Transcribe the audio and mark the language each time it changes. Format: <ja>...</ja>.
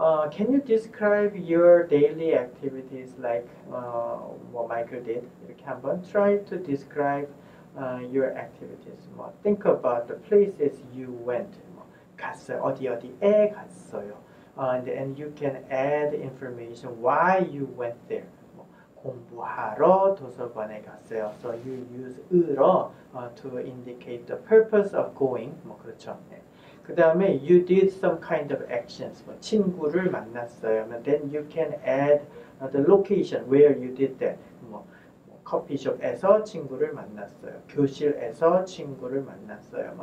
<en>Can you describe your daily activities like what Michael did?</en> <ko>이렇게 한번</ko> <en>try to describe your activities. Think about the places you went.</en> <ko>갔어요. 어디 어디에 갔어요.</ko> <en>And you can add information why you went there.</en> <ko>공부하러 도서관에 갔어요.</ko> <en>So you use 으로 to indicate the purpose of going.</en> <ko>그렇죠. 네. 그 다음에</ko> <en>you did some kind of actions.</en> <ko>친구를 만났어요.</ko> <en>And then you can add the location where you did that.</en> <ko>커피숍에서 친구를 만났어요. 교실에서 친구를 만났어요.</ko>